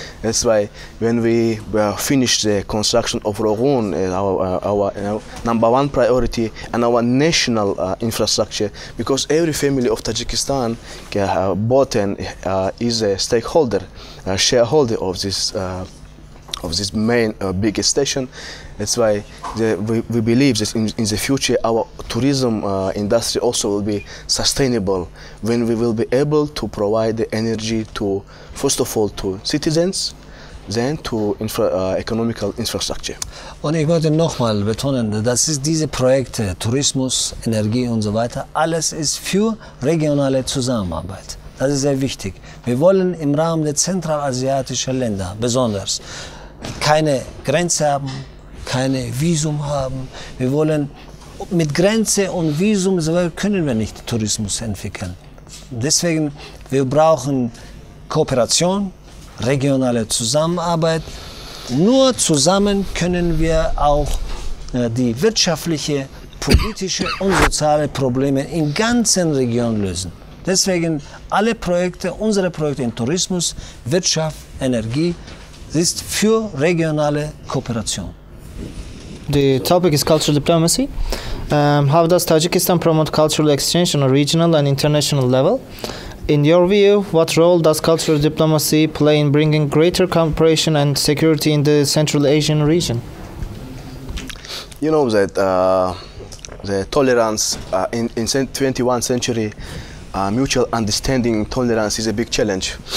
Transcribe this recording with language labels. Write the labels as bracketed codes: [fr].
[en] That's why when we finish the construction of Rohun, our number one priority and our national infrastructure, because every family of Tajikistan bought and is a stakeholder, a shareholder of this main biggest station. That's why we believe that in the future our tourism industry also will be sustainable when we will be able to provide the energy to, first of all, to citizens, then to economical infrastructure. [de] Und ich möchte nochmal betonen, dass ist diese Projekte, Tourismus, Energie und so weiter, alles ist für regionale Zusammenarbeit. Das ist sehr wichtig. Wir wollen im Rahmen der zentralasiatischen Länder besonders keine Grenze haben, keine Visum haben. Wir wollen mit Grenze und Visum können wir nicht Tourismus entwickeln. Deswegen wir brauchen Kooperation, regionale Zusammenarbeit. Nur zusammen können wir auch die wirtschaftlichen, politischen und sozialen Probleme in ganzen Regionen lösen. Deswegen alle Projekte, unsere Projekte in Tourismus, Wirtschaft, Energie, ist für regionale Kooperation. [en] The topic is cultural diplomacy. How does Tajikistan promote cultural exchange on a regional and international level? In your view, what role does cultural diplomacy play in bringing greater cooperation and security in the Central Asian region? You know that the tolerance in the 21st century, mutual understanding and tolerance is a big challenge.